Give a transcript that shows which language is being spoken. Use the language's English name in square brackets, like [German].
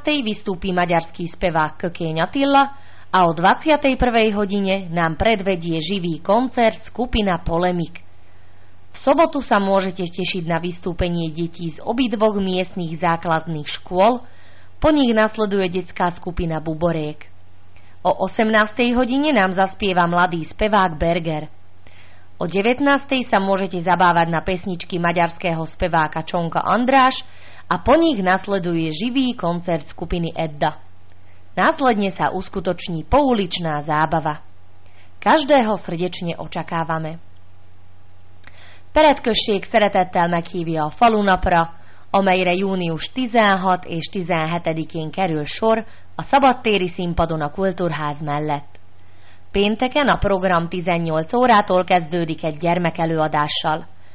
[Slovak] vystúpi maďarský spevák Kökény Attila a o 21. hodine nám predvedie živý koncert skupina Polemik. V sobotu sa môžete tešiť na vystúpenie detí z obidvoch miestnych základných škôl, po nich nasleduje detská skupina Buboriek. O 18. hodine nám zaspieva mladý spevák Berger. O 19. sa môžete zabávať na pesničky maďarského speváka Čonka Andráš a po nich nasleduje živý koncert skupiny Edda. Následne sa uskutoční pouličná zábava. Každého srdečne očakávame. [Hungarian] Peredkösség szeretettel meghívja a falunapra, amelyre június 16 és 17-én kerül sor a szabadtéri színpadon a kultúrház mellett. Pénteken a program 18 órától kezdődik egy gyermekelőadással.